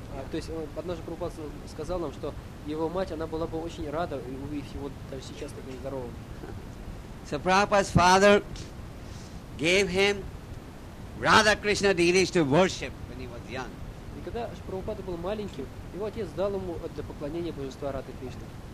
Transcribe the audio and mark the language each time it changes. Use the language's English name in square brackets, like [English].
[Russian] То есть однажды Прабхупада сказал нам, что его мать, она была бы очень рада увидеть его даже сейчас таким здоровым. [English] So Prabhupada's father gave him Radha Krishna Dirish to worship when he was young. [Russian] И когда Прабхупада был маленьким, его отец дал ему для поклонения божества Радхи Кришны.